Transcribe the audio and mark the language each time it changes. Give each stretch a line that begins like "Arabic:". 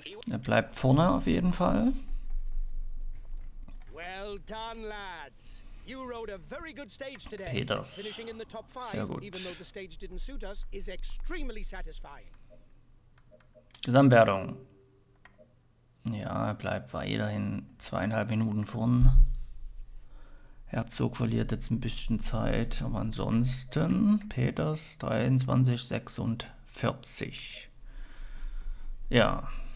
German: Er bleibt vorne auf jeden Fall.
English: Well done, lads. You rode a very good stage today.
German: Peters.
English: Finishing in the top 5, even though the stage didn't suit us, is extremely satisfying.
German: Gesamtwertung. Ja, er bleibt weiterhin 2,5 Minuten vorn. Herzog verliert jetzt ein bisschen Zeit, aber ansonsten Peters 23:46. Ja.